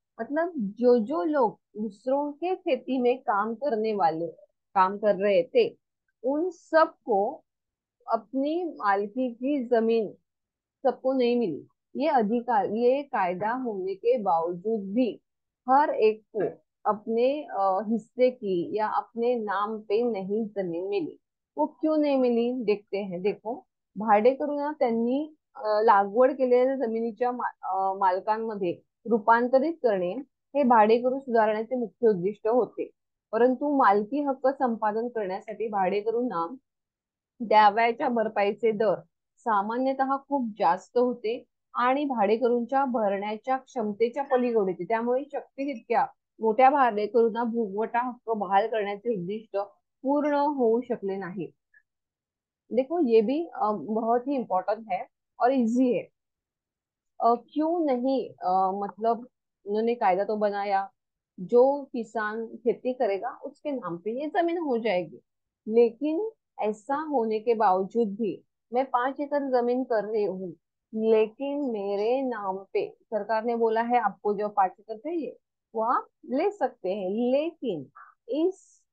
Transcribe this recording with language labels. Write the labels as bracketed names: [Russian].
[Hindi] मतलब जो जो लोग दूसरों के खेती में काम करने वाले काम कर रहे थे उन सबको अपनी मालकी की जमीन सबको नहीं मिली। ये अधिकार, ये कायदा होने के बावजूद भी हर एक को अपने हिस्से की या अपने नाम पे नहीं जमीन मिली। वो क्यों नहीं मिली देखते हैं। [Marathi] देखो भाडेकरूंना त्यांनी लागवड केलेल्या जमिनीच्या मालकांमध्ये रूपांतरित करणे हे भाडेकरू सुधारण्याचे मुख्य उद्दिष्ट होते, परंतु मालकी हक्क संपादन करण्यासाठी भाडेकरूंना द्याव्याच्या भरपाईचे दर सामान्यतः खूप जास्त होते आणि भाडेकरूंच्या भरण्याच्या क्षमतेच्या पलीकडे होते। त्यामुळे शक्य तितक्या मोठ्या भाडेकरूंना भूगवटा हक्क बहाल करण्याचे उद्दिष्ट पूर्ण होऊ शकले नाही। [Hindi] देखो ये भी बहुत ही इम्पॉर्टंट है और इजी है। क्यों नहीं, मतलब उन्होंने कायदा तो बनाया, जो किसान खेती करेगा उसके नाम पे ये जमीन हो जाएगी, लेकिन ऐसा होने के बावजूद भी मैं 5 एकड़ जमीन कर रही हूँ लेकिन मेरे नाम पे सरकार ने बोला है आपको जो 5 एकड़ चाहिए वो आप ले सकते हैं, लेकिन इस